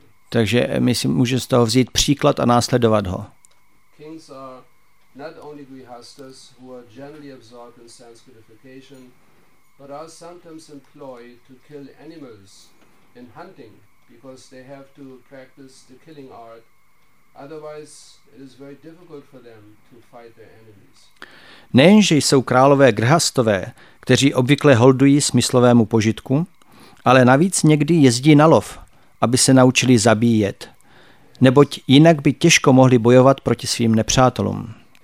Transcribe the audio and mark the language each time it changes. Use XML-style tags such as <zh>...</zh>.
<cs>Takže my si můžeme z toho vzít příklad a následovat ho.</cs> <en>Not only grihasthas who are generally absorbed in sanskritification, but are sometimes employed to kill animals in hunting because they have to practice the killing art. Otherwise, it is very difficult for them to fight their enemies.</en> <cs>Nejenže jsou králové grihasthové, kteří obvykle holdují smyslovému požitku, ale navíc někdy jezdí na lov, aby se naučili zabíjet, neboť jinak by těžko mohli bojovat proti svým nepřátelům.</cs>